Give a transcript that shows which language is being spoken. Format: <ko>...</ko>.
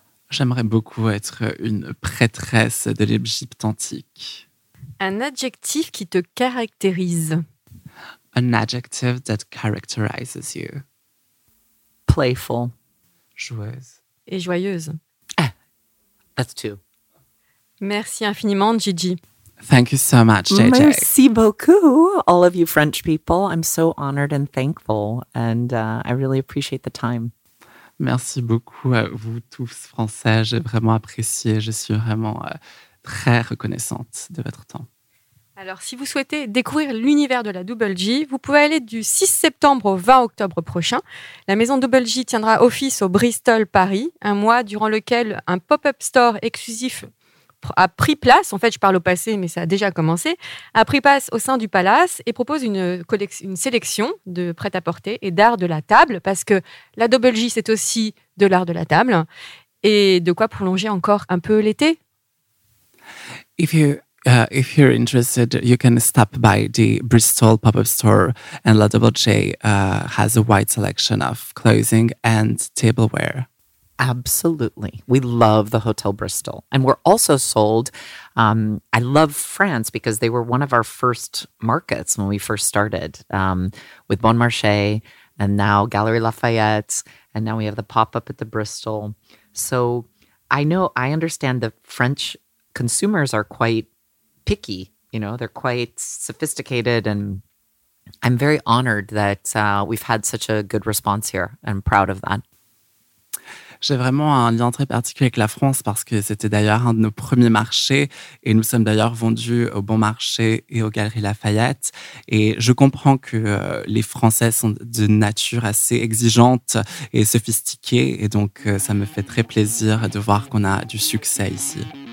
<fr>J'aimerais beaucoup être une prêtresse de l'Égypte antique. Un adjectif qui te caractérise.</fr> <en>An adjective that characterizes you. Playful.</en> <fr>Joueuse. Et joyeuse.</fr> <en>Ah, that's two.</en> <fr>Merci infiniment, Gigi.</fr> <en>Thank you so much, JJ.</en> <fr>Merci beaucoup,</fr> <en>all of you French people. I'm so honored and thankful, and I really appreciate the time.</en> <fr>Merci beaucoup à vous tous, Français. J'ai vraiment apprécié. Je suis vraiment très reconnaissante de votre temps. Alors, si vous souhaitez découvrir l'univers de la Double J, vous pouvez aller du 6 septembre au 20 octobre prochain. La maison Double J tiendra office au Bristol Paris, un mois durant lequel un pop-up store exclusif a pris place, en fait je parle au passé mais ça a déjà commencé, a pris place au sein du palace et propose une sélection de prêt-à-porter et d'art de la table, parce que la Double J c'est aussi de l'art de la table et de quoi prolonger encore un peu l'été.</fr> <en>If you're interested, you can stop by the Bristol pop-up store, and la Double J has a wide selection of clothing and tableware. Absolutely. We love the Hotel Bristol. And we're also sold. I love France because they were one of our first markets when we first started with Bon Marché and now Galeries Lafayette. And now we have the pop-up at the Bristol. So I know, I understand that French consumers are quite picky. You know, they're quite sophisticated. And I'm very honored that we've had such a good response here. I'm proud of that.</en> <fr>J'ai vraiment un lien très particulier avec la France parce que c'était d'ailleurs un de nos premiers marchés et nous sommes d'ailleurs vendus au Bon Marché et aux Galeries Lafayette. Et je comprends que les Français sont de nature assez exigeante et sophistiquée et donc ça me fait très plaisir de voir qu'on a du succès ici.</fr>